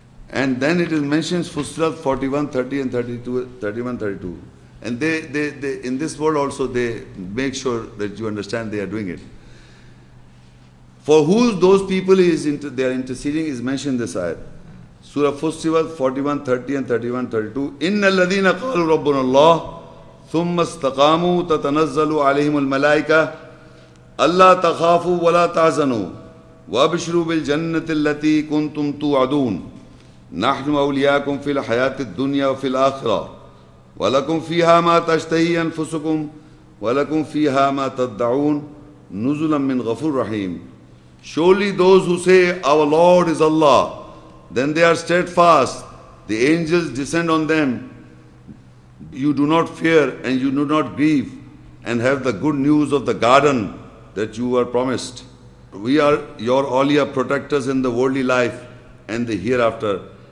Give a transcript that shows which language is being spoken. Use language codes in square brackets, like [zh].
[en] And then it is mentioned Fussilat 41:30 and 32. And they in this world also they make sure that you understand they are doing it. For who those people is they are interceding is mentioned in this ayat. Surah Fussilat 41:30 and 31:32. [ar] Inna ladina qalu rabbuna Allah ثم استقاموا تتنزل عليهم الملائكة ألا تخافوا ولا تحزنوا وابشروا بالجنة التي كنتم توعدون نحن أولياكم في الحياة الدنيا وفي الآخرة ولكم فيها ما تشتهي أنفسكم ولكم فيها ما تدعون نزلا من غفور رحيم. [en] Surely those who say our Lord is Allah, then they are steadfast, the angels descend on them. You do not fear and you do not grieve and have the good news of the garden that you were promised. We are your awliya protectors in the worldly life and the hereafter.